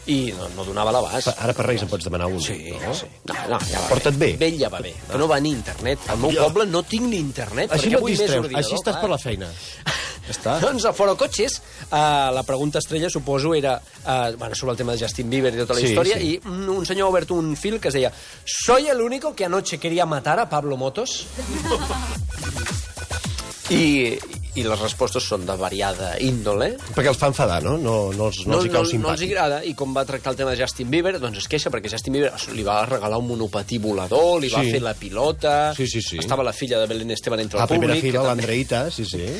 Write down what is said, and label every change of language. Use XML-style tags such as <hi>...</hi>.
<ca>i no donava l'abast. Ara per Reis em pots demanar un. Sí, no? Sí. No, ja va. Porta't bé. Vella va bé, però no va ni internet. Al meu poble no tinc ni internet. Així perquè no et distreus, vull més ordinador, així estàs per la feina. Està. Doncs a Forocotxes, la pregunta estrella, suposo, era sobre el tema de Justin Bieber i tota la història, sí. I un senyor ha obert un fil que es deia</ca> <es>«Soy el único que anoche quería matar a Pablo Motos?»</es> <ca>I les respostes són de variada índole. Perquè els fa enfadar, no? No els hi cau simpàtic. No els agrada. I com va tractar el tema de Justin Bieber, doncs es queixa, perquè Justin Bieber li va regalar un monopatí volador, li va fer la pilota... Sí, sí, sí. Estava la filla de Belén Esteban entre la el públic. La primera filla, l'Andreïta, sí, sí.</ca>